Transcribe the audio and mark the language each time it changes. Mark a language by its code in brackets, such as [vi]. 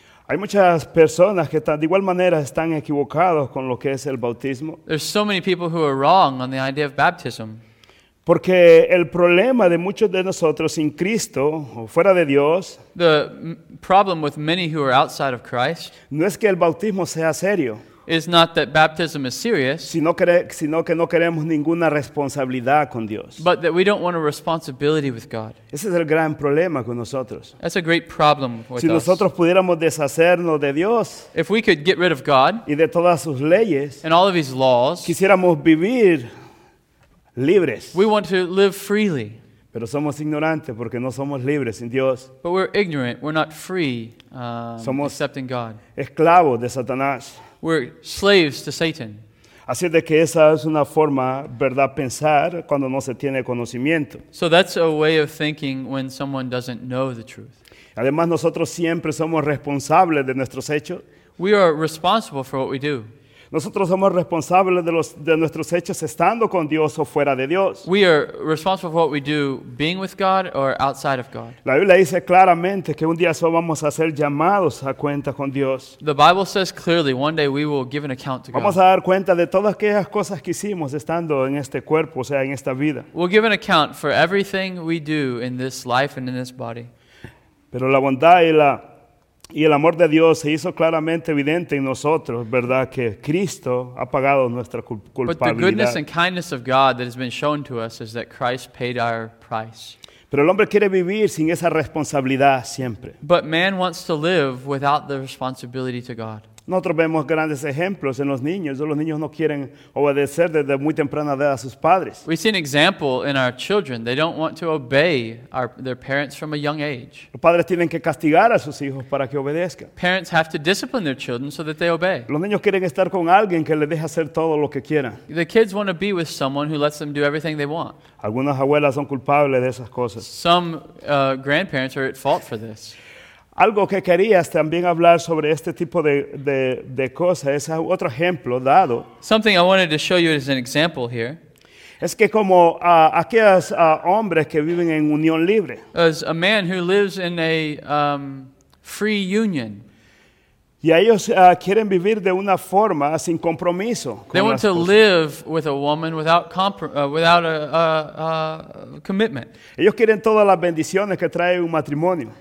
[es] Hay muchas personas que de igual manera están equivocados con lo que es el bautismo. [en] There's so many people who are wrong on the idea of baptism. [es] Porque el problema de muchos de nosotros sin Cristo o fuera de Dios, [en] the problem with many who are outside of Christ, [es] no es que el bautismo sea serio, [en] is not that baptism is serious, [es] sino que no queremos ninguna responsabilidad con Dios, [en] but that we don't want a responsibility with God. [es] Ese es el gran problema con nosotros. [en] That's a great problem with us. [es] Si nosotros pudiéramos deshacernos de Dios, [en] if we could get rid of God, [es] y de todas sus leyes, [en] and all of his laws, [es] quisiéramos vivir libres. [en] We want to live freely. [es] Pero somos ignorantes porque no somos libres sin Dios. [en] But we're ignorant. We're not free except in God. [es] Somos esclavos de Satanás. [en] We're slaves to Satan. [es] Así de que esa es una forma, verdad, pensar cuando no se tiene conocimiento. [en] So that's a way of thinking when someone doesn't know the truth. [es] Además, nosotros siempre somos responsables de nuestros hechos. [en] We are responsible for what we do. [es] Nosotros somos responsables de nuestros hechos estando con Dios o fuera de Dios. [en] We are responsible for what we do being with God or outside of God. [es] La Biblia dice claramente que un día solo vamos a ser llamados a cuenta con Dios. [en] The Bible says clearly one day we will give an account to God. [es] Vamos a dar cuenta de todas aquellas cosas que hicimos estando en este cuerpo, o sea, en esta vida. [en] We'll give an account for everything we do in this life and in this body. [es] Pero la bondad y el amor de Dios se hizo claramente evidente en nosotros, ¿verdad? Que Cristo ha pagado nuestra culpabilidad. [en] But the goodness and kindness of God that has been shown to us is that Christ paid our price. [es] Pero el hombre quiere vivir sin esa responsabilidad siempre. [en] But man wants to live without the responsibility to God. [es] Nosotros vemos grandes ejemplos en los niños. Los niños no quieren obedecer desde muy temprana edad a sus padres. [en] We see an example in our children. They don't want to obey their parents from a young age. [es] Los padres tienen que castigar a sus hijos para que obedezcan. [en] Parents have to discipline their children so that they obey. [es] Los niños quieren estar con alguien que les deje hacer todo lo que quieran. [en] The kids want to be with someone who lets them do everything they want. [es] Algunas abuelas son culpables de esas cosas. [en] Some grandparents are at fault for this. [es] Algo que querías también hablar sobre este tipo de cosas es otro ejemplo dado. [en] Something I wanted to show you as an example here. [es] Es que como aquellos hombres que viven en unión libre. [en] As a man who lives in a free union. [es] Y ellos quieren vivir de una forma sin compromiso. [en] They want to live with a woman without a commitment. [es] Ellos quieren todas las bendiciones que trae un matrimonio.